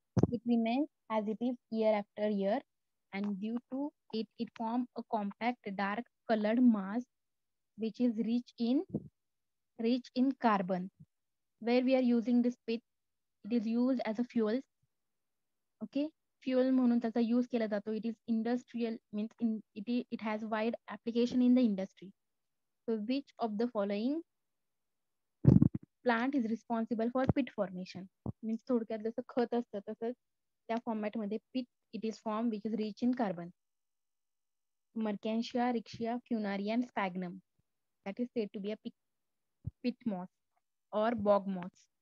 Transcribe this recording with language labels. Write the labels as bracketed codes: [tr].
[en] It remains as it is year after year, and due to it, it form a compact dark colored mass, which is rich in carbon. Where we are using this pit, it is used as a fuel. [mr] Okay, fuel म्हणून त्याचा use केला जातो. [en] It is industrial means it has wide application in the industry. So which of the following plant is responsible for pit formation? Means [mr] थोडक्यात जसं खत असतं तसंच त्या format मध्ये [en] pit it is formed which is rich in carbon. Merkantia, Rickettsia, Funaria and Sphagnum. That is said to be a pit moss or bog moss.